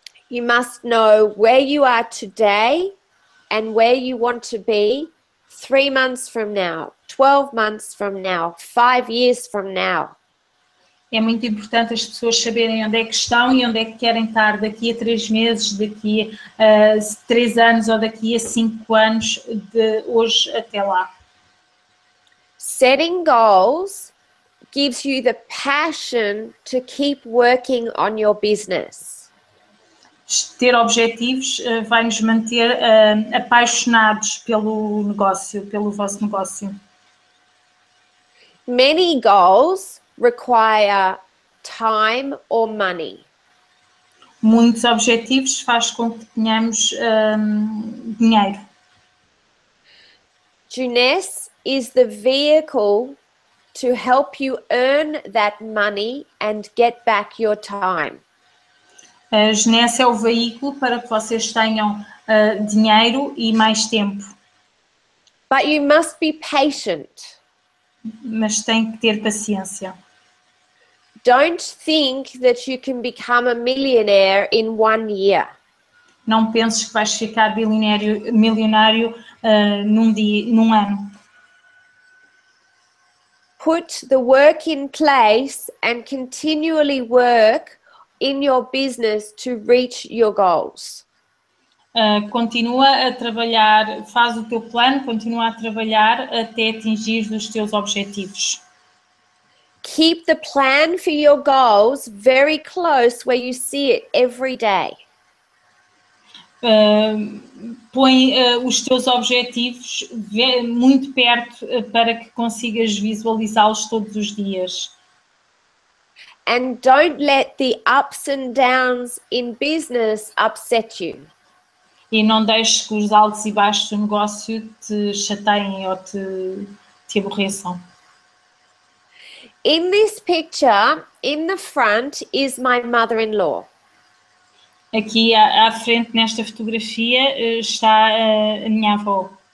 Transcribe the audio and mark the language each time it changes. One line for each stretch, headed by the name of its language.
English: You must know where you are today and where you want to be 3 months from now, 12 months from now, 5 years from now.
Portuguese: É muito importante as pessoas saberem onde é que estão e onde é que querem estar daqui a 3 meses, daqui a 3 anos ou daqui a 5 anos, de hoje até lá.
English: Setting goals gives you the passion to keep working on your business.
Portuguese: Ter objetivos vai nos manter apaixonados pelo negócio, pelo vosso negócio.
English: Many goals require time or money.
Portuguese: Muitos objetivos faz com que tenhamos dinheiro.
English: Genesse is the vehicle to help you earn that money and get back your time.
Portuguese: A Genesse é o veículo para que vocês tenham dinheiro e mais tempo.
English: But you must be patient.
Portuguese: Mas tem que ter paciência.
English: Don't think that you can become a millionaire in 1 year.
Portuguese: Não penses que vais ficar milionário num ano.
English: Put the work in place and continually work in your business to reach your goals.
Portuguese: Continua a trabalhar, faz o teu plano, continua a trabalhar até atingir os teus objetivos.
English: Keep the plan for your goals very close where you see it every day.
Portuguese: Põe os teus objetivos muito perto para que consigas visualizá-los todos os dias.
English: And don't let the ups and downs in business upset you.
Portuguese: E não deixes que os altos e baixos do negócio te chateiem ou te aborreçam.
English: In this picture, in the front, is my mother-in-law.
Portuguese: Aqui à frente, nesta fotografia, está a minha avó.